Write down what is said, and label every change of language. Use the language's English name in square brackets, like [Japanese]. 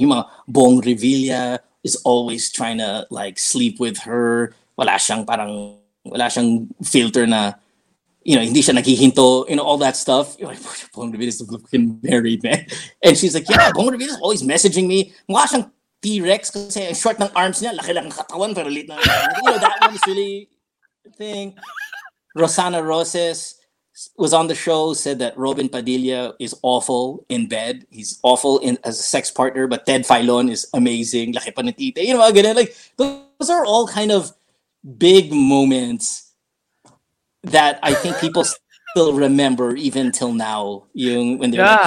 [English] Yung mga Bong Revilla is always trying to like sleep with her. [Filipino] Wala siyang filter na, you know, hindi siya naghihinto, you know, [English] all that stuff. You're like, Bong Revilla is fucking married, man. And she's like, yeah, Bong Revilla is always messaging me. [Filipino] Wala siyang T-Rex kasi ang short ng arms niya, laki lang katawan, pero lit na. [English] You know, that one's really thing. Rosanna Roses was on the show, said that Robin Padilla is awful in bed. He's awful as a sex partner, but Ted Filon is amazing. [Filipino] Laki pa ng tita. [English] You know, ganun. Like, those are all kind of big moments that I think people still remember even till now. Yung when they're yeah.